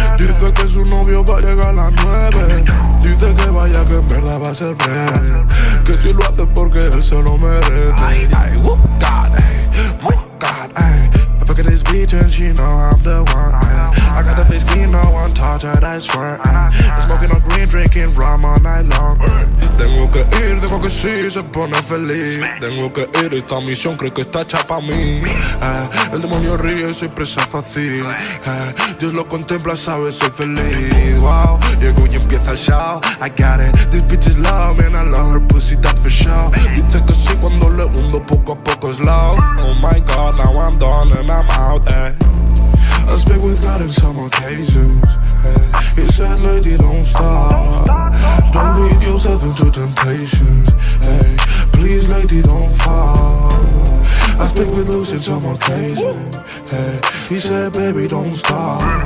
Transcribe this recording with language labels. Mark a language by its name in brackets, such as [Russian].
[Spanish] Dice que su novio va a llegar a las 9. Dice que vaya, que en verdad va a ser breve. Que si lo hace porque él se lo merece. [English] Ay, whoop, God, ay, whoop, God, ay. I fuck this bitch and she know I'm the one, ay. I got the face clean, no one touch it, I swear, ay. I'm smoking on green, drinking rum all night long, ay. [Spanish] Tengo que ir, digo que sí, se pone feliz. Tengo que ir, esta misión creo que está hecha pa' mí. El demonio ríe, soy presa fácil. Dios lo contempla, sabe, soy feliz. Wow, llego y empieza el show. [English] I got it, this bitch is love, man, I love her pussy, that's for sure. [Spanish] Dice que sí cuando le hundo poco a poco slow. [English] Oh my God, now I'm done and I'm out, eh. I speak with God in some occasions. He said, lady, don't stop. Don't lead yourself into temptations. Hey, please, lady, don't fall. I speak with Lucy some occasion. Hey, he said, baby, don't stop.